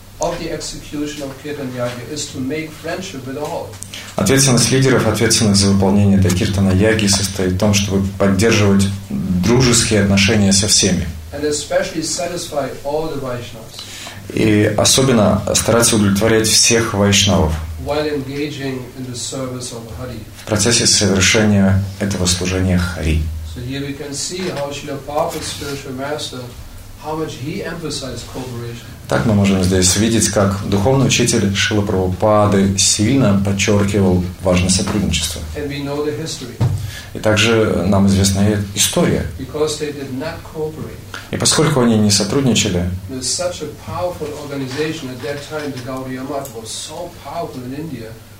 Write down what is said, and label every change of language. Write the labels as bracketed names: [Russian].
[English] of the execution of Kirtana-Yagya is to make friendship with all. [Russian] Ответственность лидеров, ответственность за выполнение этой Киртана-Яги состоит в том, чтобы поддерживать дружеские отношения со всеми. [English] And especially satisfy all the Vaishnavas. [Russian] И особенно стараться удовлетворять всех вайшнавов [English] while engaging in the service of Hari. [Russian] В процессе совершения этого служения Хари. [English] So here we can see how Srila Prabhupada's spiritual master, how much he emphasized cooperation. [Russian] Так мы можем здесь видеть, как духовный учитель Шрила Прабхупады сильно подчеркивал важность сотрудничества. [English] And we know the history. [Russian] И также нам известна история. [English] Because they did not cooperate. [Russian] И поскольку они не сотрудничали, [English] there's such a powerful organization at that time, the Gaudiya Math was so powerful in India.